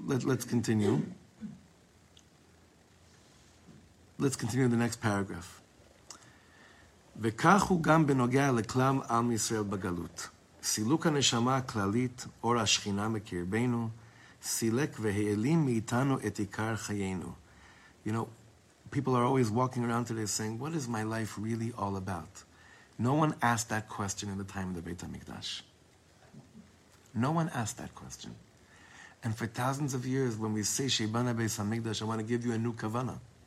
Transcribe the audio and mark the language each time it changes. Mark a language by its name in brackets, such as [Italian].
[English] Let's continue. Let's continue the next paragraph. [Hebrew] וכך הוא גם בנוגע לכלם עם ישראל בגלות. סילוק הנשמה הכללית, אור השכינה מקרבנו, סילק והעלים מאיתנו את עיקר חיינו. [English] You know, people are always walking around today saying, what is my life really all about? No one asked that question in the time of the Beit HaMikdash. No one asked that question. And for thousands of years, when we say, [Hebrew] Sheibana Beis HaMikdash, [English] I want to give you a new kavana.